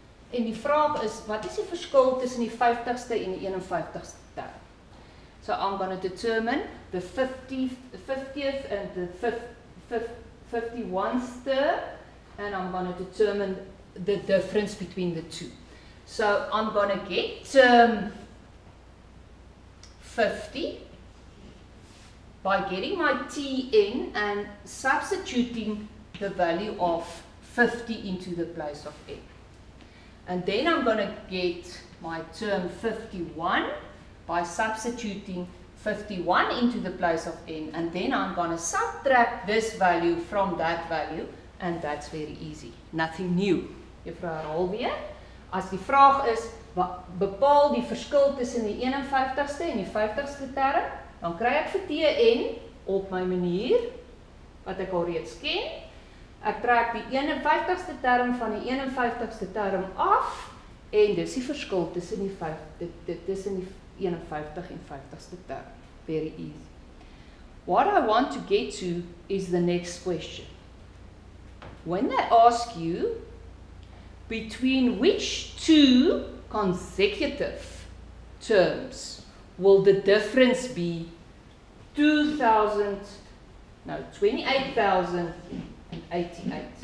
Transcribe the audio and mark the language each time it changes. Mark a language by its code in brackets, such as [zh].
[af] En die vraag is, wat is die verskil tussen die 50ste en die 51ste? [en] So I'm going to determine the 50th and the 51st and I'm going to determine the difference between the two. So I'm going to get 50 by getting my Tn and substituting the value of 50 into the place of n. And then I'm going to get my 51 by substituting 51 into the place of n, and then I'm going to subtract this value from that value, and that's very easy. Nothing new. [af] Juffrou herhaal weer. As die vraag is, bepaal die verskil tussen die 51ste en die 50ste term, dan kry ek vir tn op my manier wat ek alreeds ken. Ek trek die 51ste term van die 51ste term af en dis die verskil tussen die 51 en 50ste term. [en] Very easy. What I want to get to is the next question. When they ask you between which two consecutive terms will the difference be 28,088?